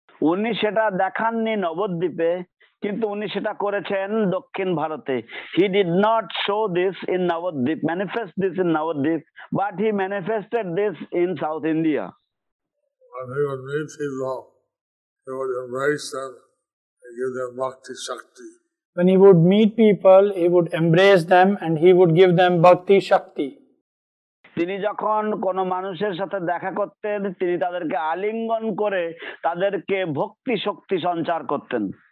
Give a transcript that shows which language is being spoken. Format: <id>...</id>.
<bn>উনি সেটা দেখাননি নবদ্বীপে, কিন্তু উনি সেটা করেছেন দক্ষিণ ভারতে.</bn> <en>He did not show this in Navadvip, manifest this in Navadvip, but he manifested this in South India. When he would meet his love, he would embrace them and give them bhakti shakti. When he would meet people, he would embrace them and he would give them bhakti shakti.</en> <bn>তিনি যখন কোন মানুষের সাথে দেখা করতেন, তিনি তাদেরকে আলিঙ্গন করে তাদেরকে ভক্তি শক্তি সঞ্চার করতেন.</bn>